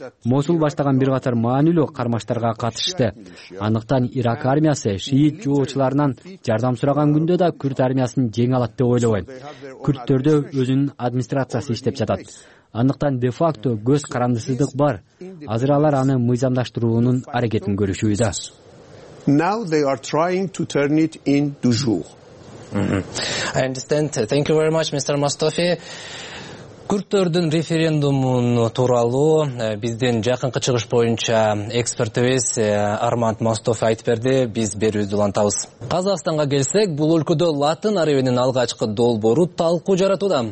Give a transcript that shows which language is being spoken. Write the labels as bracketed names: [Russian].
[Kyrgyz] Мосул баштаган бир катар маанилүү кармаштарга катышты. Андыктан Ирак армиясы шиит жоочуларынан жардам сураган күндө да күрд армиясын жеңе алат деп ойлобойм. Күрдтөрдө өзүнүн администрациясы иштеп жатат. Андыктан де-факто көз карандысыздык бар. Азыр алар аны мыйзамдаштыруунун аракетин көрүшүүдө. [English] Now they are trying to turn it in du jour. I understand. Thank you very much, Mr. Mostafi. [Kyrgyz] Күрдтөрдүн референдумун тууралуу биздин жакынкы чыгыш боюнча экспертибиз Арман Мостафи айтып берди. Биз берүүбүздү улантабыз. Казакстанга келсек, бул өлкөдө латын арабинин алгачкы долбоору талкуу жаратууда.